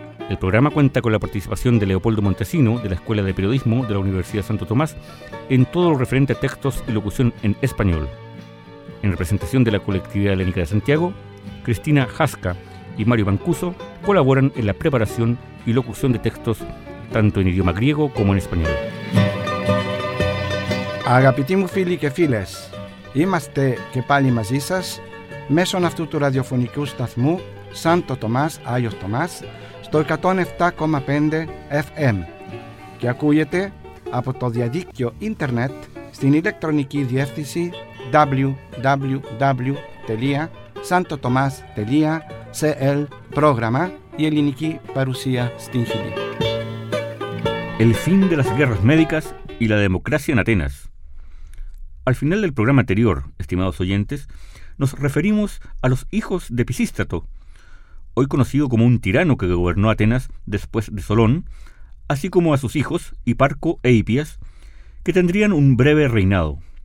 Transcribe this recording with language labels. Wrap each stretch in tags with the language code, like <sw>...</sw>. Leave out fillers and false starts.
<es>El programa cuenta con la participación de Leopoldo Montesino, de la Escuela de Periodismo de la Universidad Santo Tomás, en todo lo referente a textos y locución en español. En representación de la Colectividad Helénica de Santiago, Cristina Jasca y Mario Mancuso colaboran en la preparación y locución de textos, tanto en idioma griego como en español.</es> <el>Αγαπητοί φίλοι και φίλες, είμαστε και πάλι μαζί σας μέσω αυτού του ραδιοφωνικού σταθμού Σάντο Τομάς, Άγιος Τομάς, στο 107,5 FM και ακούγεται από το διαδίκτυο ίντερνετ στην ηλεκτρονική διεύθυνση www.santotomas.cl πρόγραμμα η ελληνική παρουσία στην Χιλή.</el> <es>El fin de las guerras médicas y la democracia en Atenas. Al final del programa anterior, estimados oyentes, nos referimos a los hijos de Pisístrato, hoy conocido como un tirano que gobernó Atenas después de Solón, así como a sus hijos, Hiparco e Hipias, que tendrían un breve reinado.</es>